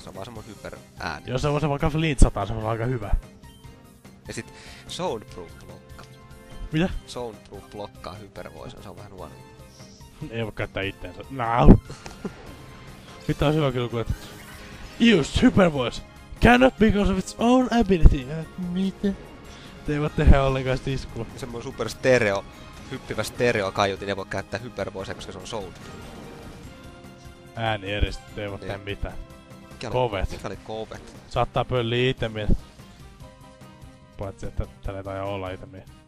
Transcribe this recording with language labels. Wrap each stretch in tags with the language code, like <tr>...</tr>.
<fi>Se on vaan semmonen hyper ääni. Jos se on vaikka flintsataa, se on aika hyvä. Ja sit soundproof. Mitä? Soundproof blokkaa Hypervoice, se on vähän huono. Ei voi käyttää itteensä. Nau! Mitä olisi hyvä kyllä, kun et...</fi> <en>Just Hypervoice! Cannot because of its own ability!</en> <fi>Mitä? Te ei voi tehdä ollenkaan sitä iskua. Semmoinen super stereo, hyppivä stereo kaiutin, ei voi käyttää Hypervoice, koska se on soundproof. Ääni eristetty, ei voi tehdä mitään. Kovet. Mikä oli kovet? Saattaa pölliä itemiä. Paitsi, että tälle ei taida olla itemiä.</fi>